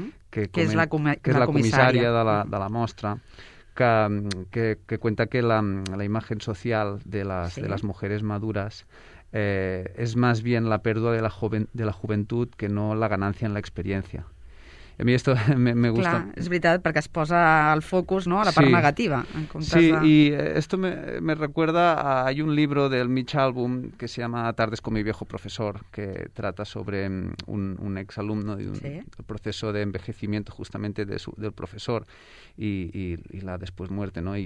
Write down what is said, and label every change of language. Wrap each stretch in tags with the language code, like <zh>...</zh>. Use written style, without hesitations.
<es>Que es que es la la comisaria comisaria. de la mostra, que cuenta que la imagen social de las mujeres maduras es más bien la pérdida de la juventud que no la ganancia en la experiencia. A mí esto me gusta.</es> <ca>Clar, és veritat, perquè es posa el focus, no, a la part</ca> <es>Sí.</es> <ca>negativa, en comptes</ca> <es>Sí,</es> <ca>de...</ca> <es>y esto me recuerda a, hay un libro del Mitch Albom que se llama Tardes con mi viejo profesor, que trata sobre un ex alumno y Sí. el proceso de envejecimiento justamente del profesor y la después muerte, ¿no?</es>